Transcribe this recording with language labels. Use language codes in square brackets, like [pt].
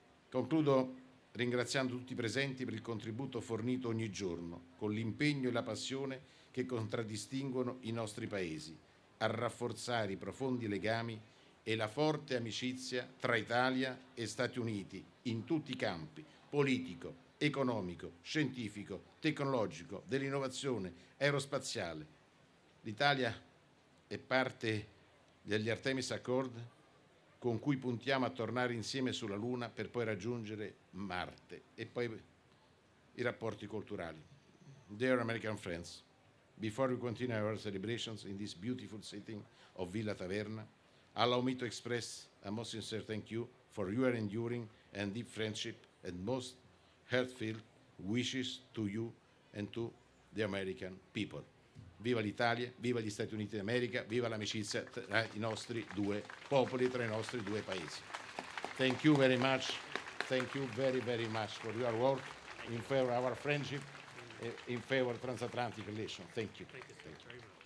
[it] Concludo ringraziando tutti i presenti per il contributo fornito ogni giorno, con l'impegno e la passione che contraddistinguono i nostri paesi, a rafforzare i profondi legami e la forte amicizia tra Italia e Stati Uniti in tutti i campi, politico, economico, scientifico, tecnologico, dell'innovazione, aerospaziale. L'Italia è parte degli Artemis Accord con cui puntiamo a tornare insieme sulla Luna per poi raggiungere Marte e poi i rapporti culturali. [en] Dear American friends, before we continue our celebrations in this beautiful setting of Villa Taverna, allow me to express a most sincere thank you for your enduring and deep friendship and most heartfelt wishes to you and to the American people. [it] Viva l'Italia, viva gli Stati Uniti d'America, viva l'amicizia tra i nostri due popoli, tra i nostri due paesi. [en] Thank you very much. Thank you very, very much for your work in favor of our friendship, in favor of transatlantic relations. Thank you. Thank you. Thank you.